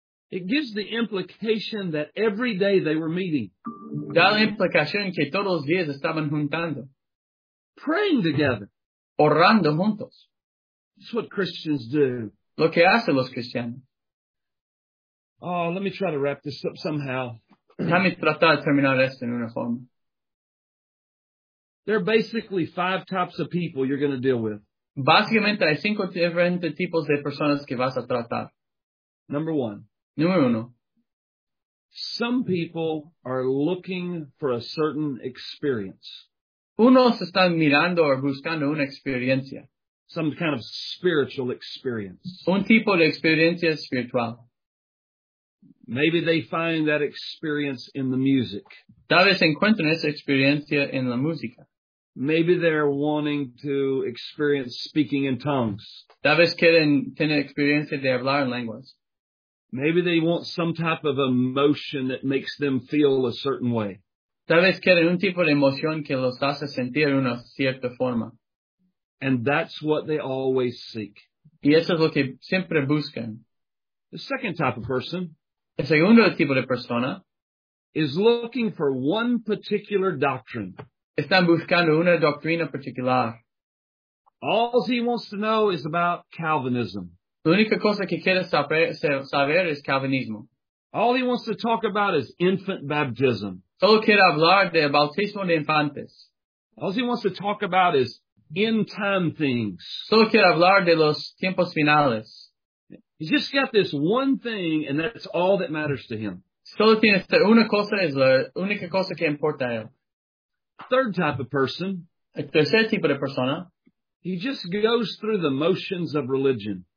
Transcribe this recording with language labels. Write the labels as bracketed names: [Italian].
[English] It gives the implication that every day they were meeting. [Spanish] Da la implicación que todos los días estaban juntando. [English] Praying together. [Spanish] Orando juntos. [English] That's what Christians do. [Spanish] Lo que hacen los cristianos. [English] Oh, let me try to wrap this up somehow. [Spanish] Déjame tratar de terminar esto en una forma. [English] There are basically 5 types of people you're going to deal with. [Spanish] Básicamente hay 5 diferentes tipos de personas que vas a tratar. [English] Number one. [Spanish] Número uno. [English] Some people are looking for a certain experience. [Spanish] Unos están mirando o buscando una experiencia. [English] Some kind of spiritual experience. [Spanish] Un tipo de experiencia espiritual. [English] Maybe they find that experience in the music. [Spanish] Tal vez encuentren esa experiencia en la música. [English] Maybe they're wanting to experience speaking in tongues. [Spanish] Tal vez quieren tener experiencia de hablar en lenguas. [English] Maybe they want some type of emotion that makes them feel a certain way. [Spanish] Tal vez quieren un tipo de emoción que los hace sentir una cierta forma. [English] And that's what they always seek. [Spanish] Y eso es lo que siempre buscan. [English] The second type of person. [Spanish] El segundo tipo de persona. [English] Is looking for one particular doctrine. [Spanish] Están buscando una doctrina particular. [English] All he wants to know is about Calvinism. [Spanish] La única cosa que quiere saber es Calvinismo. [English] All he wants to talk about is infant baptism. [Spanish] Solo quiere hablar de bautismo de infantes. [English] All he wants to talk about is end time things. [Spanish] Solo quiere hablar de los tiempos finales. [English] He's just got this one thing, and that's all that matters to him. [Spanish] Solo tiene esta una cosa, es la única cosa que importa a él. [English] Third type of person. [Spanish] El tercer tipo de persona. [English] He just goes through the motions of religion.